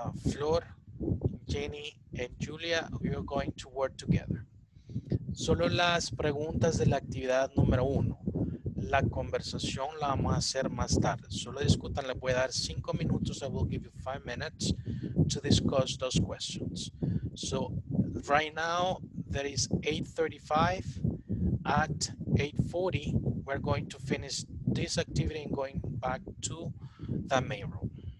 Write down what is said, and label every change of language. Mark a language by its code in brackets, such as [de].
[en] Flor, Jenny and Julia, we are going to work together. [es] Solo las preguntas de la actividad número uno. La conversación la vamos a hacer más tarde. Solo discutan, les voy a dar 5 minutos. [en] I will give you 5 minutes to discuss those questions. So right now, that is 8:35. At 8:40, we're going to finish this activity and going back to the main room.